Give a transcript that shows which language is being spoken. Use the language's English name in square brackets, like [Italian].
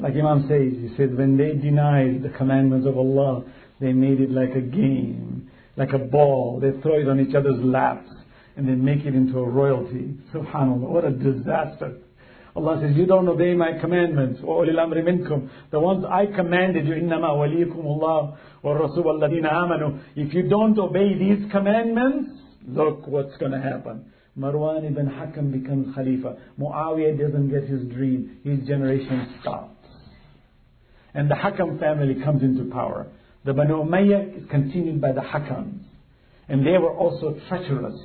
[English] Like Imam says, he says, when they denied the commandments of Allah, they made it like a game, like a ball. They throw it on each other's laps and then make it into a royalty. Subhanallah, what a disaster. Allah says, you don't obey my commandments. [Arabic] وَأُولِي الْأَمْرِ مِنْكُمْ. The ones I commanded you, إِنَّمَا وَلِيكُمُ اللَّهُ وَالرَّسُولُ وَالَّذِينَ آمَنُوا. [English] If you don't obey these commandments, look what's going to happen. Marwan ibn Hakam becomes Khalifa. Muawiyah doesn't get his dream. His generation stops. And the Hakam family comes into power. The Banu Umayyah is continued by the Hakams. And they were also treacherous.